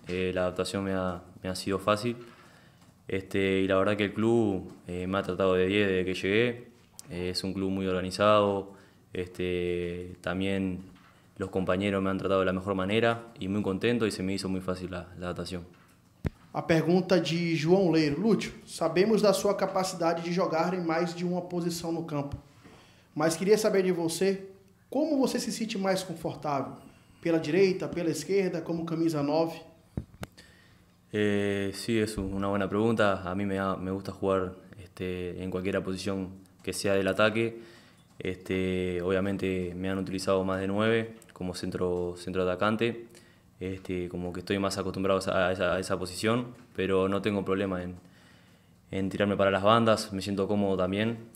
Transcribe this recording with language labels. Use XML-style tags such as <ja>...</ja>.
<es>La adaptación me ha sido fácil. Y la verdad que el club me ha tratado de 10 desde que llegué. Es un club muy organizado. También... Los compañeros me han tratado de la mejor manera y muy contento y se me hizo muy fácil la adaptación.</es> <pt>A pergunta de João Leiro. Lúcio, sabemos da sua capacidade de jogar em mais de uma posição no campo. Mas queria saber de você, como você se sente mais confortável? Pela direita, pela esquerda, como camisa 9?</pt> <es>Sí, es una buena pregunta. A mí me gusta jugar en cualquier posición que sea del ataque. Obviamente me han utilizado más de 9 como centro atacante, como que estoy más acostumbrado a esa posición, pero no tengo problema en tirarme para las bandas, me siento cómodo también,</es>